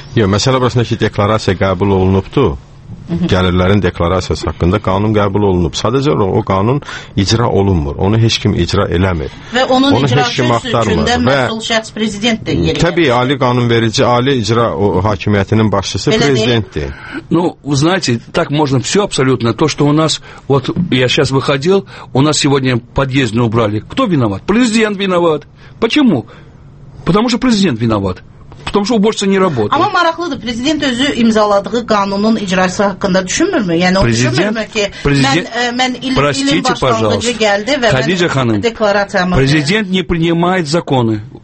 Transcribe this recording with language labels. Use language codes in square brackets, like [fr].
[az] Yox, məsələ burasında ki, deklarasiya qəbul olunubdur. Gəlirlərin deklarasiyası haqqında qanun qəbul olunub. Sadəcə o qanun icra olunmur. Onu heç kim icra eləmir. Və onun icrası üçün də məsul şəxs prezidentdir. Təbii, ali qanunverici, ali icra hakimiyyətinin başçısı prezidentdir. [ru] Ну, вы знаете, так можно всё абсолютно. То, что у нас, вот я сейчас выходил, у нас сегодня подъезды убрали. Кто виноват? Президент виноват. Почему? Потому что президент виноват. Потому что уборщица не работает. [az] Ама мараклыдır. Президент özü imzaladığı qanunun icrası haqqında düşünmür mü? Yəni президент, o düşünmür mü ki, президент, mən ilin başlanğıcı gəldi və Khadija mən ханым, deklarasiyamı... [ru] Президент не принимает законы.